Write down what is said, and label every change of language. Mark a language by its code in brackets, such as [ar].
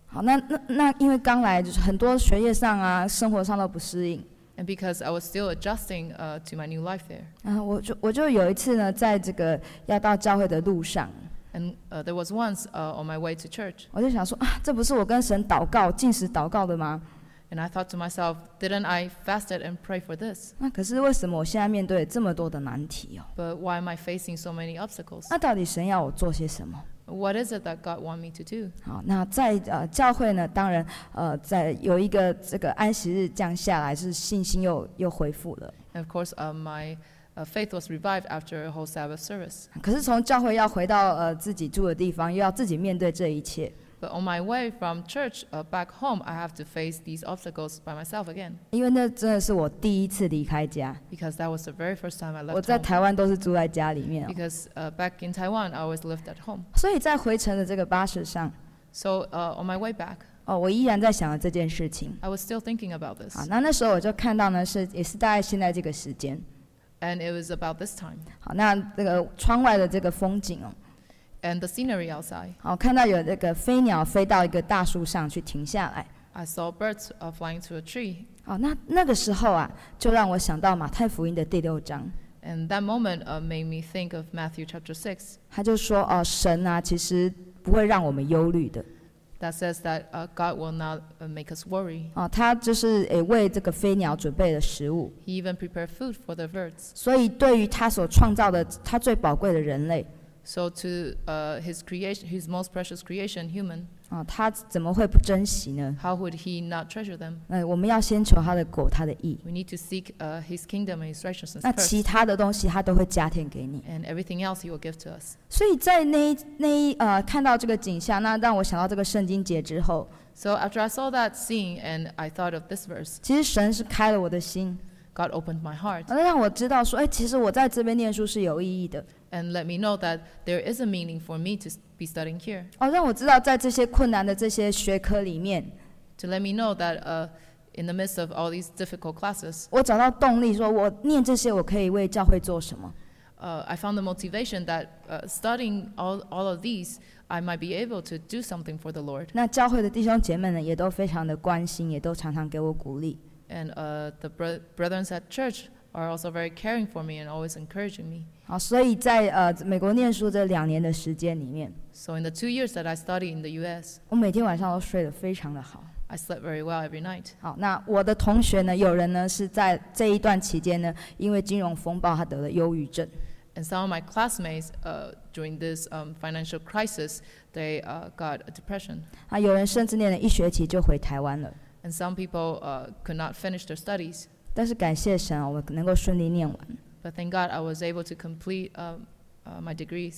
[zh] 好，那因为刚来就是很多学业上啊，生活上都不适应。 [en] And because I was still adjusting to my new life there. [zh] 我就有一次呢，在这个要到教会的路上。 [en] And there was once on my way to church. [zh] 我就想说啊，这不是我跟神祷告、禁食祷告的吗？ [en] And I thought to myself, didn't I fast and pray for this? [zh] 那可是为什么我现在面对这么多的难题哦 [en] ？But why am I facing so many obstacles? [zh] 那到底神要我做些什么 [en] ？What is it that God want me to do? [zh] 好，那在教会呢，当然在有一个这个安息日降下来，是信心又恢复了。 [en] And of course, my faith was revived after a whole Sabbath service. [zh] 可是从教会要回到自己住的地方，又要自己面对这一切。 [en] But on my way from church back home, I have to face these obstacles by myself again. [zh] 因为那真的是我第一次离开家。 [en] Because that was the very first time I left home. [zh] 我在台湾都是住在家里面。 [en] Because back in Taiwan, I always lived at home. [zh] 所以在回程的这个巴士上。 [en] So on my way back. [zh] 哦，我依然在想这件事情。 [en] I was still thinking about this. [zh] 好，那时候我就看到呢，也是大概现在这个时间。 [en] And it was about this time. [zh] 好，那这个窗外的这个风景哦。 [en] And the scenery outside. [zh] 好，看到有那个飞鸟飞到一个大树上去停下来。 [en] I saw birds flying to a tree. [zh] 好，那个时候啊，就让我想到马太福音的第六章。 [en] And that moment made me think of Matthew chapter 6. [zh] 他就说，神啊，其实不会让我们忧虑的。 [en] That says that God will not make us worry. [zh] 哦，他就是为这个飞鸟准备了食物。 [en] He even prepared food for the birds. [zh] 所以对于他所创造的他最宝贵的人类。 [en] So to his creation, his most precious creation, human. [zh] 啊，他怎么会不珍惜呢 [en] ？How would he not treasure them？ [zh] 哎，我们要先求他的国，他的义。 [en] We need to seek his kingdom and his righteousness. [zh] 那其他的东西他都会加添给你。 [en] And everything else he will give to us. [zh] 所以在那一看到这个景象，那让我想到这个圣经节之后。 [en] So after I saw that scene and I thought of this verse. [zh] 其实神是开了我的心。 [en] God opened my heart. [zh] 那让我知道说，哎，其实我在这边念书是有意义的。 [en] And let me know that there is a meaning for me to be studying here. [zh] 哦，让我知道在这些困难的这些学科里面。 [en] To let me know that in the midst of all these difficult classes. [zh] 我找到动力，说我念这些，我可以为教会做什么。 [en] I found the motivation that studying all of these, I might be able to do something for the Lord. [zh] 那教会的弟兄姐妹呢，也都非常的关心，也都常常给我鼓励。 [en] And the brethren at church are also very caring for me and always encouraging me. [zh] 好，所以在美国念书这两年的时间里面 [en] ，So in the 2 years that I studied in the U.S. [zh] 我每天晚上都睡得非常的好。 [en] I slept very well every night. [zh] 好，那我的同学呢，有人呢是在这一段期间呢，因为金融风暴，他得了忧郁症。 [en] And some of my classmates during this financial crisis, they got a depression. [zh] 啊，有人甚至念了一学期就回台湾了。 [en] And some people could not finish their studies. [zh] 但是感谢神啊，我能够顺利念完。 [en] But thank God, I was able to complete my degree.